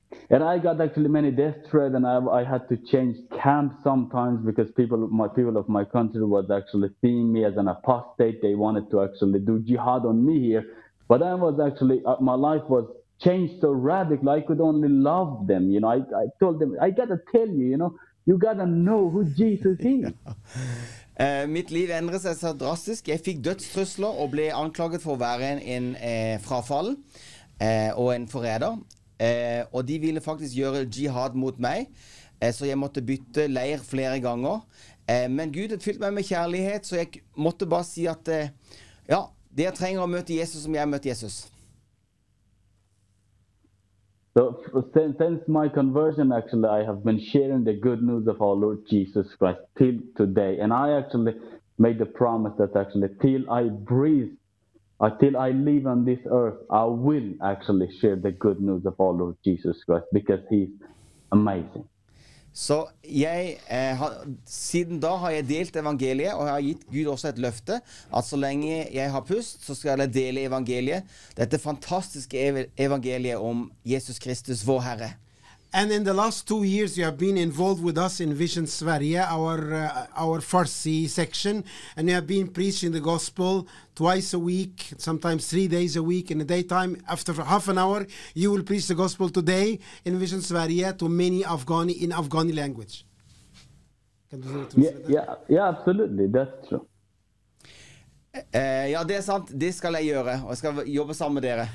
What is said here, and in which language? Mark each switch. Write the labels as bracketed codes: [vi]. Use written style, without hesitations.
[en] And I got actually many death threats, and I had to change camps sometimes because people of my country was actually seeing me as an apostate. They wanted to actually do jihad on me here. But I was actually, my life was changed so radically, I could only love them. You know, I told them, I gotta tell you, you know, you gotta know who Jesus is. [no] Mitt liv endret seg så drastisk. Jeg fikk dødstrusler og ble anklaget for å være en frafall og en forræder. Og de ville faktisk gjøre jihad mot meg, så jeg måtte bytte leir flere ganger. Men Gud hadde fylt meg med kjærlighet, så jeg måtte bare si at ja, dere trenger å møte Jesus som jeg møtte Jesus. [en] So since my conversion, actually, I have been sharing the good news of our Lord Jesus Christ till today. And I actually made the promise that actually till I breathe, till I live on this earth, I will actually share the good news of our Lord Jesus Christ, because he's amazing. [no] Så jeg, siden da har jeg delt evangeliet, og jeg har gitt Gud også et løfte, at så lenge jeg har pust, så skal jeg dele evangeliet. Dette fantastiske evangeliet om Jesus Kristus, vår Herre. [en] And in the last 2 years, you have been involved with us in Vision Sverige, our Farsi section, and you have been preaching the gospel twice a week, sometimes 3 days a week in the daytime. After half an hour, you will preach the gospel today in Vision Sverige to many Afghani in Afghani language. Can you translate that? Yeah, absolutely, that's true. [no] Ja, det er sant, det skal jeg gjøre, og jeg skal jobbe sammen med dere.